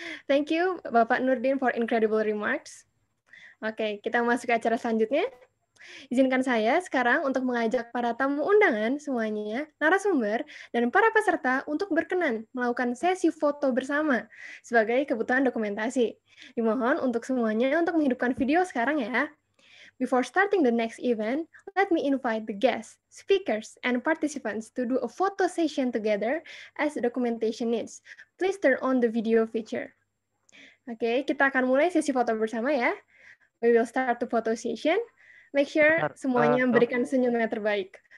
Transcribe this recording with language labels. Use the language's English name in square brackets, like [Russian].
[English] Thank you Bapak Nurdin for incredible remarks. [Indonesian] Oke, kita masuk ke acara selanjutnya. Izinkan saya sekarang untuk mengajak para tamu undangan semuanya, narasumber, dan para peserta untuk berkenan melakukan sesi foto bersama sebagai kebutuhan dokumentasi. Dimohon untuk semuanya untuk menghidupkan video sekarang ya. [English] Before starting the next event, let me invite the guests, speakers, and participants to do a photo session together as the documentation needs. Please turn on the video feature. [Indonesian] Oke, kita akan mulai sesi foto bersama ya. [English] We will start the photo session. Make sure [Indonesian] semuanya memberikan senyum yang terbaik.